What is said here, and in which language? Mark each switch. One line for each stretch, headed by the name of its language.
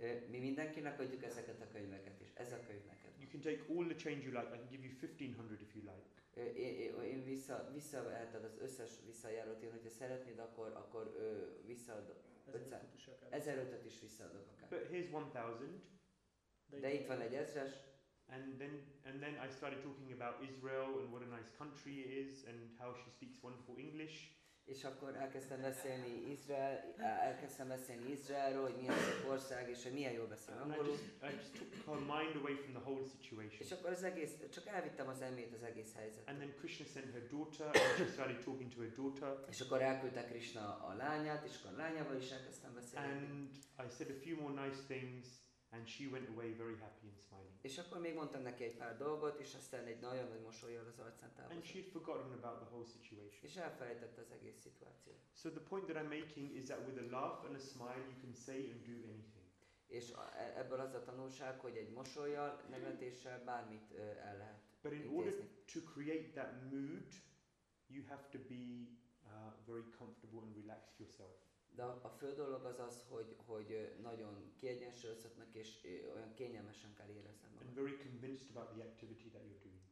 Hungarian: Mi mindenkinek adjuk ezeket a könyveket, és ez a könyv neked.
English: You can take all the change you like, I can give you 1500 if you like.
Hungarian: Én visszaveheted az összes visszajárót, én hogyha szeretnéd, akkor visszaadok 1500-et is visszaadok akár.
English: But here's 1000.
Hungarian: De itt van egy ezres.
English: And then I started talking about Israel and what a nice country it is and how she speaks wonderful English.
Hungarian: És akkor elkezdtem beszélni Izraelről, hogy milyen szép ország, és hogy milyen jól beszél angolul.
English: I just took her mind away from the whole situation.
Hungarian: És akkor csak elvittem az elmét az egész helyzetet.
English: And then Krishna sent her daughter, and she started talking to her daughter.
Hungarian: És akkor elküldte Krishna a lányát, és akkor a lányával is elkezdtem beszélni.
English: And I said a few more nice things, and she went away very happy and smiling.
Hungarian: És akkor még mondtam neki egy pár dolgot, és aztán egy nagyon nagy mosolyjal az arcán távozott.
English: And she'd forgotten about the whole situation.
Hungarian: És elfelejtette az egész szituációt.
English: So the point that I'm making is that with a laugh and a smile you can say and do anything.
Hungarian: És ebből az a tanulság, hogy egy mosolyjal, nevetéssel bármit el lehet intézni.
English: But in order to create that mood, you have to be very comfortable and relaxed yourself.
Hungarian: De a fő dolog az, hogy nagyon kiegyensúlyozottnak és olyan kényelmesen kell éreznem magam.
English: And very convinced about the activity that you're doing.